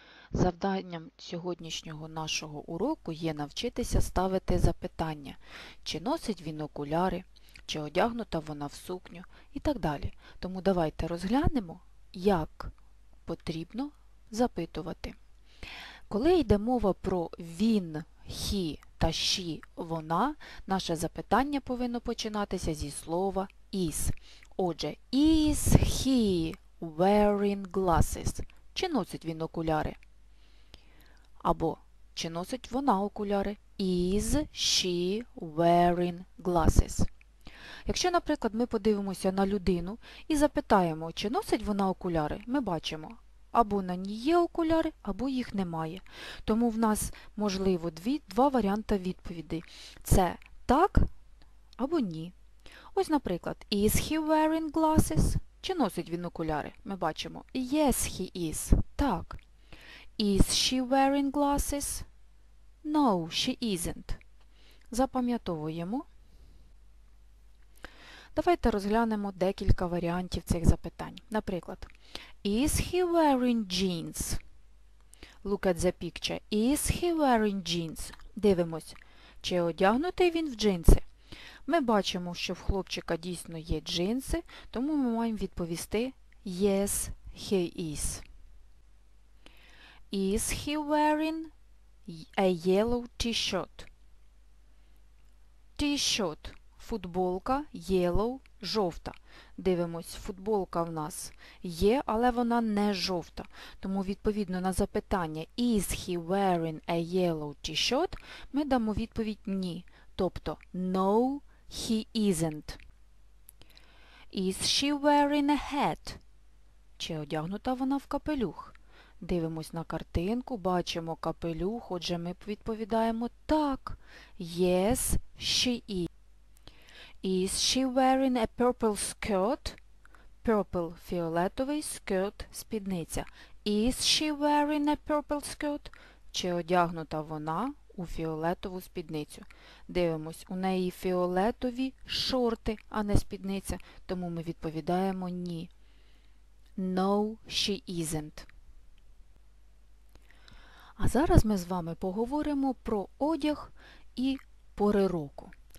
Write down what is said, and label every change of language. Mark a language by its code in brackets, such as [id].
[uk] Завданням сьогоднішнього нашого уроку є навчитися ставити запитання, чи носить він окуляри, чи одягнута вона в сукню і так далі. Тому давайте розглянемо, як потрібно запитувати. Коли йде мова про він, he та she, вона, наше запитання повинно починатися зі слова is. [en] Отже, is he wearing glasses? [uk] Чи носить він окуляри? Або, чи носить вона окуляри? [en] Is she wearing glasses? [uk] Якщо, наприклад, ми подивимося на людину і запитаємо, чи носить вона окуляри, ми бачимо, або на ній є окуляри, або їх немає. Тому в нас, можливо, два варіанти відповіді. Це так або ні. [en] Ось, наприклад, is he wearing glasses? [uk] Чи носить він окуляри? Ми бачимо, [en] yes, he is. [uk] Так. [en] Is she wearing glasses? No, she isn't. [uk] Запам'ятовуємо. Давайте розглянемо декілька варіантів цих запитань. Наприклад, [en] is he wearing jeans? Look at the picture. Is he wearing jeans? [uk] Дивимось, чи одягнутий він в джинси? Ми бачимо, що в хлопчика дійсно є джинси, тому ми маємо відповісти [en] yes, he is. Is he wearing a yellow t-shirt? T-shirt – [uk] футболка, [en] yellow – [uk] жовта. Дивимось, футболка в нас є, але вона не жовта. Тому відповідно на запитання [en] Is he wearing a yellow t-shirt? [uk] Ми дамо відповідь ні, тобто [en] No, he isn't. Is she wearing a hat? [uk] Чи одягнута вона в капелюх? Дивимось на картинку, бачимо капелюх, отже ми відповідаємо так. [en] Yes, she is. Is she wearing a purple skirt? Purple – [uk] фіолетовий, [en] skirt – [uk] спідниця. [en] Is she wearing a purple skirt? [uk] Чи одягнута вона у фіолетову спідницю? Дивимось, у неї фіолетові шорти, а не спідниця, тому ми відповідаємо ні. [en] No, she isn't. [uk] А зараз ми з вами поговоримо про одяг і пори року.